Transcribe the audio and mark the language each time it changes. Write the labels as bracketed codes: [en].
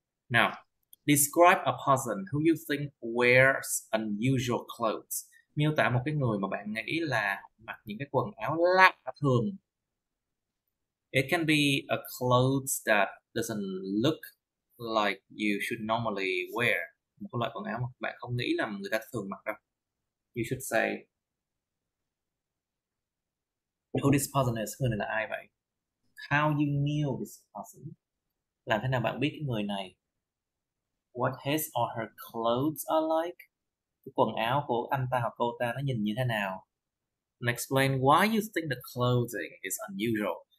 [en] Now, describe a person who you think wears unusual clothes. [vi] Miêu tả một cái người mà bạn nghĩ là mặc những cái quần áo lạ thường. [en] It can be a clothes that doesn't look like you should normally wear. [vi] Một cái loại quần áo mà bạn không nghĩ là người ta thường mặc đâu. [en] You should say, who this person is, [vi] người này là ai vậy? [en] How you knew this person? [vi] Làm thế nào bạn biết cái người này? [en] What his or her clothes are like? [vi] Cái quần áo của anh ta hoặc cô ta nó nhìn như thế nào? [en] And explain why you think the clothing is unusual.